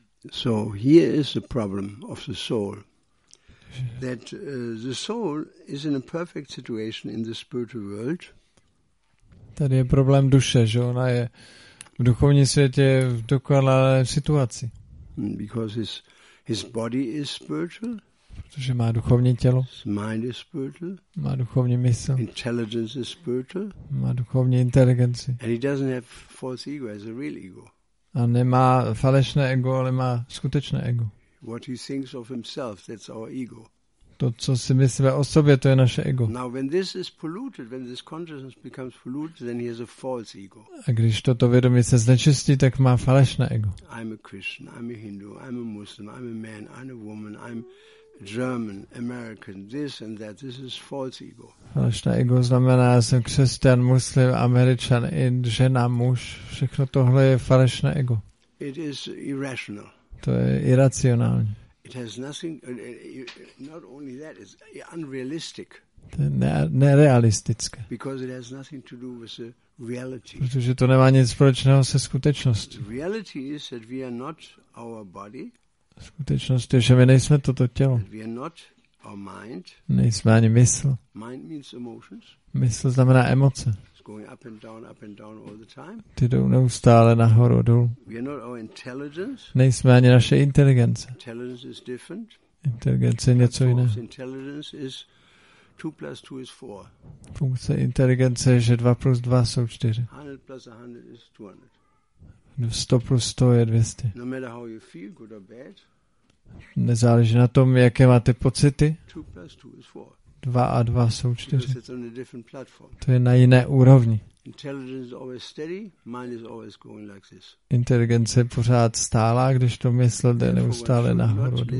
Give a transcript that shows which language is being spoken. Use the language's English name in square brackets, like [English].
[English] So here is the problem of the soul. That the soul is in a perfect situation in the spiritual world. [Czech] Tady je problém duše, že ona je v duchovním světě v dokonalé situaci. [English] Because his body is spiritual. [Czech] Protože má duchovní tělo. [English] His mind is spiritual. [Czech] Má duchovní mysl. [English] Intelligence is spiritual. [Czech] Má duchovní inteligenci. [English] And he doesn't have false ego, he has a real ego. [Czech] A nemá falešné ego, ale má skutečné ego. [English] What he thinks of himself, that's our ego. [Czech] To, co si myslíme o sobě, to je naše ego. [English] Now when this is polluted, when this consciousness becomes polluted, then he has a false ego. [Czech] A když toto vědomí se znečistí, tak má falešné ego. [English] I'm a Christian, I'm a Hindu, I'm a Muslim, I'm a man, I'm a woman, I'm German, American, this and that. This is false ego. [Czech] Falešné ego znamená, já jsem křesťan, muslim, Američan, i žena, muž. Všechno tohle je falešné ego. [English] It is irrational. [Czech] To je iracionální. [English] It has nothing. Not only that, it's unrealistic. [Czech] Nerealistické. [English] Because it has nothing to do with the reality. [Czech] Protože to nemá nic společného se skutečností. [English] The reality is that we are not our body. [Czech] Skutečnost je, že my nejsme toto tělo. [English] We are not our mind. [Czech] Nejsme ani mysl. [English] Mind means emotions. [Czech] Mysl znamená emoce. [English] It's going up and down all the time. [Czech] Ty jdou neustále nahoru dolů. [English] We are not our intelligence. [Czech] Nejsme ani naše inteligence. [English] Intelligence is different. [Czech] Inteligence je něco jiného. [English] Intelligence is 2 plus 2 is 4. [Czech] Funkce inteligence je, že 2 plus 2 jsou 4. [English] 100 plus 100 is 200. [Czech] 100 plus 100 je 200. [English] No matter how you feel, good or bad. [Czech] Nezáleží na tom, jaké máte pocity. [English] 2 plus 2 is 4. [Czech] 2 a 2 jsou 4. [English] Because it's on a different platform. [Czech] To je na jiné úrovni. [English] Intelligence is always steady, mind is always going like this. [Czech] Inteligence je pořád stálá, když to mysl jde neustále nahoru.